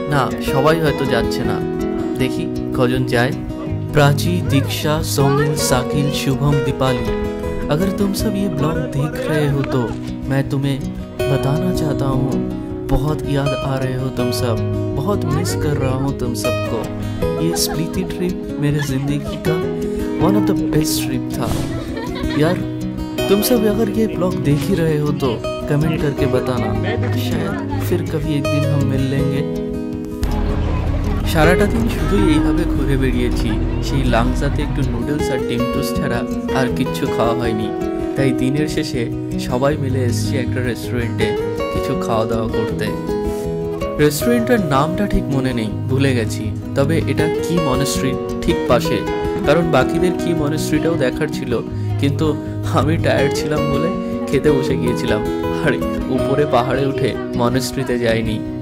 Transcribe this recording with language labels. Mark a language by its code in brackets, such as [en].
[bn] না, সবাই হয়তো যাচ্ছে না, দেখি কজন যায়। [hi] প্রাচী, দীক্ষা, সৌমিল, সাকিল, শুভম, দীপালি, আগর তুম সব ইয়ে ব্লগ দেখ রহে হো তো মে তুমে বতানা চাহতা হুঁ, বহুত ইয়াদ আ রহে হো তুম সব, বহুত মিস কর রহা হুঁ তুম সবকো। ये स्प्लिति ट्रिप मेरे जिंदगी का one of the best trip था यार। तुम सब अगर ये ब्लॉग देख ही रहे हो तो कमेंट करके बताना, शायद फिर कभी एक दिन हम मिल लेंगे। [bn] সারাটা দিন শুধু এইভাবে ঘুরে বেড়িয়েছি, সেই লাংসাতে একটু নুডলস আর ডিম টোস্ট ছাড়া আর কিচ্ছু খাওয়া হয়নি। তাই দিনের শেষে সবাই মিলে এসেছি একটা রেস্টুরেন্টে কিছু খাওয়া দাওয়া করতে। রেস্টুরেন্টের নামটা ঠিক মনে নেই, ভুলে গেছি, তবে এটা কি মনেস্ট্রির ঠিক পাশে, কারণ বাকিদের কি মনেস্ট্রিটাও দেখার ছিল, কিন্তু আমি টায়ার্ড ছিলাম বলে খেতে বসে গিয়েছিলাম আর উপরে পাহাড়ে উঠে মনেস্ট্রিতে যাইনি।